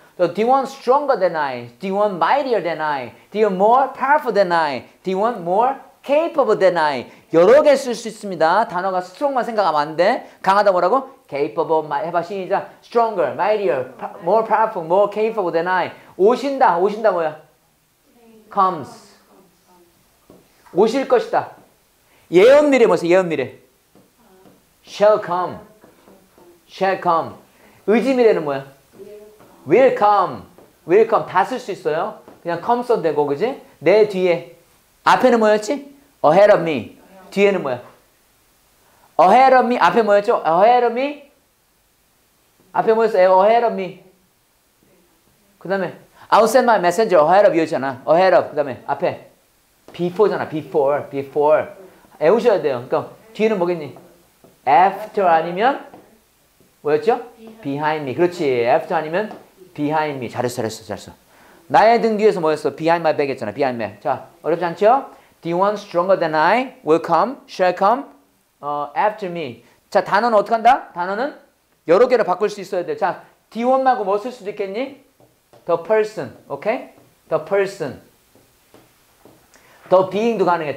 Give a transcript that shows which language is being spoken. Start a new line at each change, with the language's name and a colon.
English: So, do you want stronger than I? Do you want mightier than I? Do you want more powerful than I? Do you want more capable than I?
Korean: 여러 개 쓸 수 있습니다. 단어가 strong만 생각하면 안 돼. 강하다 뭐라고? Capable, 해봐 시작.
English: Stronger, mightier, more powerful, more capable than I.
Korean: 오신다 뭐야? Comes. 오실 것이다. 예언 미래 뭐지? 예언 미래.
English: Shall come.
Korean: 의지 미래는 뭐야?
English: Will come.
Korean: 다 쓸 수 있어요. 그냥 comes 써도 되고, 그지? 내 뒤에. 앞에는 뭐였지?
English: Ahead of me.
Korean: 뒤에는 뭐야?
English: Ahead of me.
Korean: 앞에 뭐였죠?
English: Ahead of me.
Korean: 앞에 뭐였어?
English: Ahead of me.
Korean: 그 다음에
English: I'll send my messenger ahead of you잖아. Ahead of.
Korean: 그 다음에 앞에 before잖아. Before. 애우셔야 돼요. 그러니까 뒤에는 뭐겠니? After 아니면 뭐였죠?
English: Behind me.
Korean: 그렇지.
English: After
Korean: 아니면
English: behind me.
Korean: 잘했어. 나의 등 뒤에서 뭐였어?
English: Behind my back
Korean: 했잖아.
English: Behind me.
Korean: 자, 어렵지 않죠?
English: Do you want stronger than I? Will come? Shall come? After me.
Korean: 자, 단어는 어떻게 한다? 단어는 여러 개로 바꿀 수 있어야 돼. 자, D1 말고 뭐 쓸 수도 있겠니?
English: The person.
Korean: Okay? The person.
English: The being
Korean: 도 가능해.